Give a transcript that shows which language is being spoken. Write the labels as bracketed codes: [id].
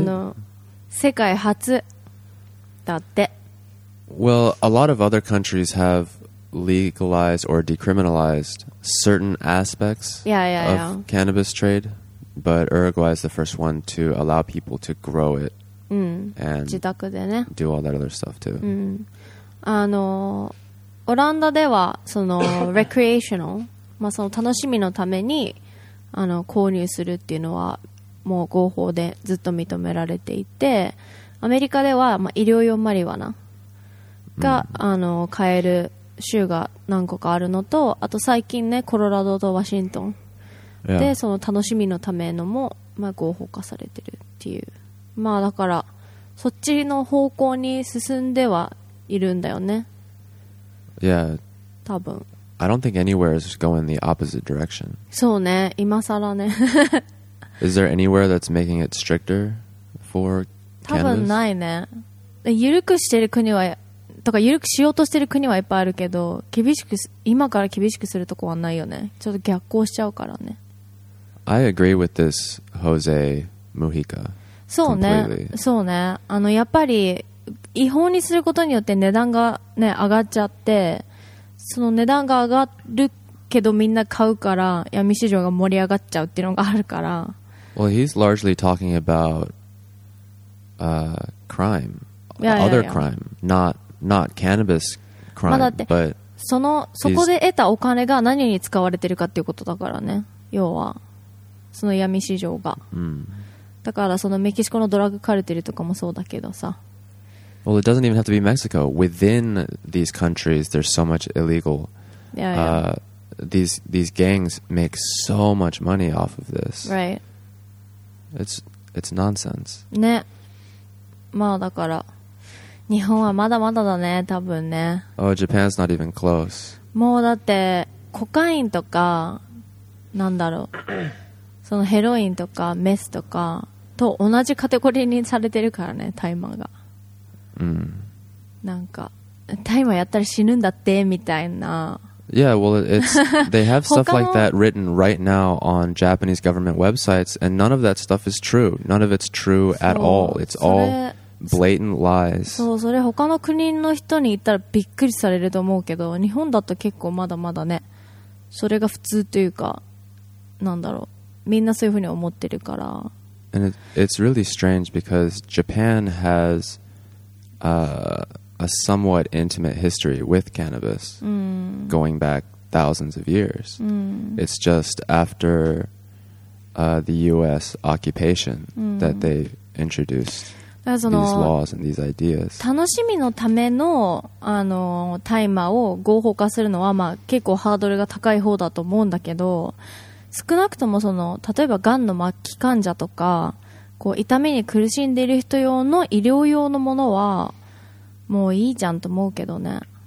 [ja] it? 世界初だって。 [en] Well, a lot of other countries have legalized or decriminalized certain aspects of cannabis trade. But Uruguay is the first one to allow people to grow it and [ja] 自宅で、ね、 [en] do all that other stuff too.、 [ja] うん、オランダではそのrecreational、まあ、その楽しみのために購入するっていうのはもう合法でずっと認められていて、アメリカでは、まあ、医療用マリワナが、買える州が何個かあるのと、あと最近ね、コロラドとワシントンで、その楽しみのためのも、まあ、合法化されてるっていう。まあだから、そっちの方向に進んではいるんだよね。 [en] Yeah. [ja] 多分。 [en] I don't think anywhere is going the opposite direction. [ja] そうね、今更ね。 [en] Is there anywhere that's making it stricter for cannabis? [ja] 多分ないね。緩くしてる国は、とか緩くしようとしてる国はいっぱいあるけど、厳しく、今から厳しくするとこはないよね。ちょっと逆行しちゃうからね。 [en] I agree with this Jose Mujica. [ja] そうね、そうね。やっぱり違法にすることによって値段がね、上がっちゃって、その値段が上がるけどみんな買うから闇市場が盛り上がっちゃうっていうのがあるから。 [en] Well, he's largely talking about crime, other crime, not cannabis crime, but [ja] そこで得たお金が何に使われてるかっていうことだからね、要は。その闇市場が、うん、だからそのメキシコのドラッグカルテルとかもそうだけどさ。 [en] Well, it doesn't even have to be Mexico. Within these countries, there's so much illegal. Yeah, yeah. These gangs make so much money off of this. Right. It's nonsense. [ja] ね。まあだから、日本はまだまだだね、多分ね。 [en] Oh, Japan's not even close. [ja] もうだって、コカインとか、なんだろう。そのヘロインとかメスとかと同じカテゴリーにされてるからね、大麻が。うん。なんか、大麻やったら死ぬんだって、みたいな。 [en] Yeah, well, they have stuff like that written right now on Japanese government websites, and none of that stuff is true. None of it's true at all. It's all blatant lies. [ja] そう、それ他の国の人に言ったらびっくりされると思うけど、日本だと結構まだまだね、それが普通というか、なんだろう。みんなそういうふうに思ってるから。 [en] And it's really strange because Japan has a somewhat intimate history with cannabis、 [ja] うん、 [en] going back thousands of years.、 [ja] うん、 [en] it's just after the US occupation、うん、that they introduced these laws and these ideas. [ja] 楽しみのための、タイマーを合法化するのは、まあ、結構ハードルが高い方だと思うんだけど、少なくともその例えばがんの末期患者とかこう痛みに苦しんでいる人用の医療用のものはもういいじゃんと思うけどね。